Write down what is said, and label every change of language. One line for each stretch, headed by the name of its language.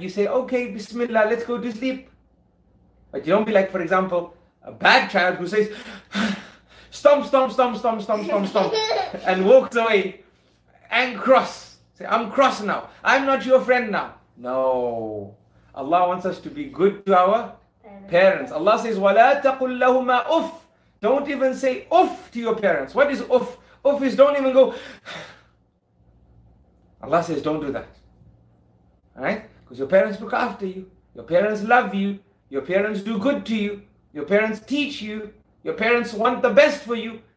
English: You say, okay, Bismillah, let's go to sleep. But you don't be like, for example, a bad child who says, stomp, stomp, stomp, stomp, stomp, stomp, stomp, and walks away and cross. Say, I'm cross now. I'm not your friend now. No. Allah wants us to be good to our parents. Allah says,
Arabic: وَلَا تَقُلْ لَهُمَا أُفْ.
English: Don't even say uff to your parents. What is uff? Uff is don't even go. Allah says, don't do that. Alright? Because your parents look after you. Your parents love you. Your parents do good to you. Your parents teach you. Your parents want the best for you.